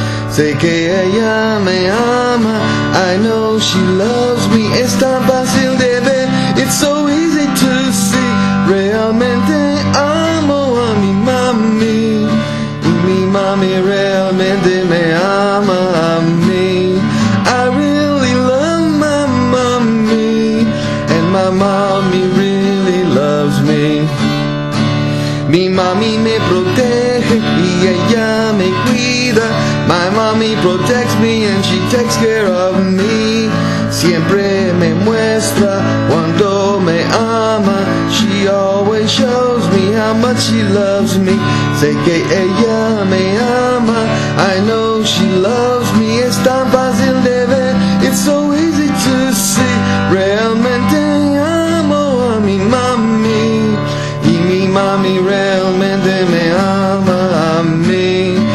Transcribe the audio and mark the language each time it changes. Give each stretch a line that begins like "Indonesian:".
Spanish: Sé que ella me ama,
English: I know she loves me.
Spanish: Es tan fácil de ver,
English: it's so easy to see.
Spanish: Realmente amo a mi mami, y mi mami realmente me ama a mí.
English: I really love my mami, and my mami really loves me.
Spanish: Mi mami me protege, y ella me cuida.
English: My mommy protects me and she takes care of me.
Spanish: Siempre me muestra cuando me ama.
English: She always shows me how much she loves me.
Spanish: Sé que ella me ama,
English: I know she loves me.
Spanish: Es tan fácil de ver,
English: it's so easy to see.
Spanish: Realmente amo a mi mami, y mi mami realmente me ama a mí.